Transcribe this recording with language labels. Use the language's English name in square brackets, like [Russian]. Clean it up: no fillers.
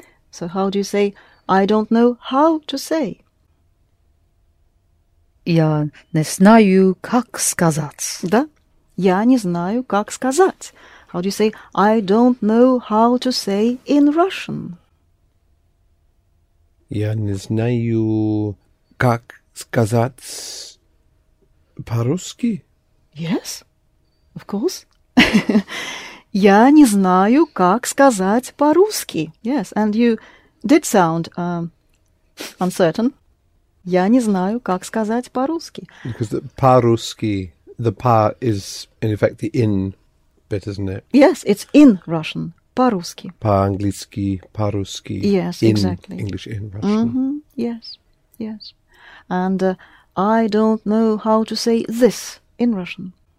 [English] So how do you say, I don't know how to say? [Russian] Я не знаю, как сказать. Да? Я не знаю, как сказать. [English] How do you say, I don't know how to say in Russian? [Russian] Я не знаю, как сказать по-русски. [English] Yes, of course. [Russian] Я не знаю, как сказать по-русски. [English] Yes, and you did sound uncertain. [Russian] Я не знаю, как сказать по-русски. [English] Because the по-русски, the па is, in effect, the in bit, isn't it? Yes, it's in Russian. По-русски. [Russian] По-английски, по-русски. [English] Yes, in exactly. English in Russian. Mm-hmm. Yes, yes. And I don't know how to say this in Russian.